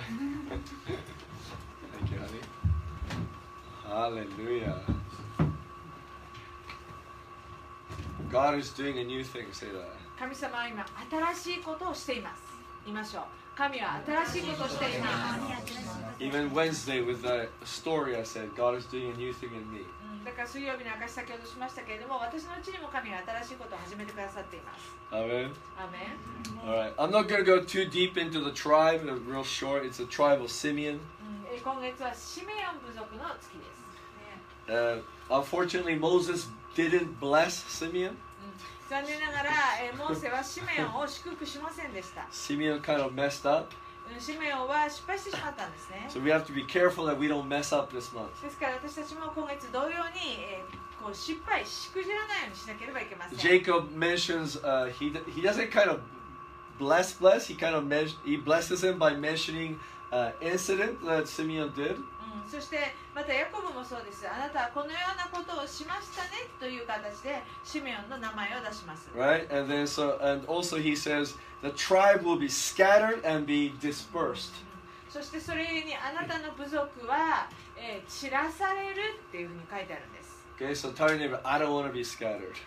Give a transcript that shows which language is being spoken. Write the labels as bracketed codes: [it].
[en] Thank you, honey. Hallelujah. God is doing a new thing. Say that. [ja] 神様は今新しいことをしています。言いましょう。神は新しいことをしています。 [en] Even Wednesday with the story, I said God is doing a new thing in me. [ja] だから水曜日の証先ほどしましたけれども、私のうちにも神は新しいことを始めてくださっています。 [en] Amen. Amen. All right. I'm not going to go too deep into the tribe. Real short. It's a tribe of Simeon. [ja] 今月はシメオン部族の月です。 [en] Unfortunately, Moses didn't bless Simeon. [ja] 残念ながら、モーセはシメオンを祝福しませんでした。 [en] Simeon kind of messed up. [ja] シメオンは失敗してしまったんですね。 [en] So we have to be careful that we don't mess up this month. [ja] ですから私たちも今月同様に、失敗しくじらないようにしなければいけません。 [en] Jacob mentions, he doesn't kind of bless, he kind of he blesses him by mentioning incident that Simeon did.、 [ja] うん、そしてまたヤコブもそうです。あなたはこのようなことをしましたねという形でシメオンの名前を出します。 [en] Right, and then so, and also he says, the tribe will be scattered and be dispersed.、 [ja] うん、そしてそれにあなたの部族は、散らされるっていうふうに書いてあるんです。 [en] Okay, so tell your neighbor, I don't want to be scattered.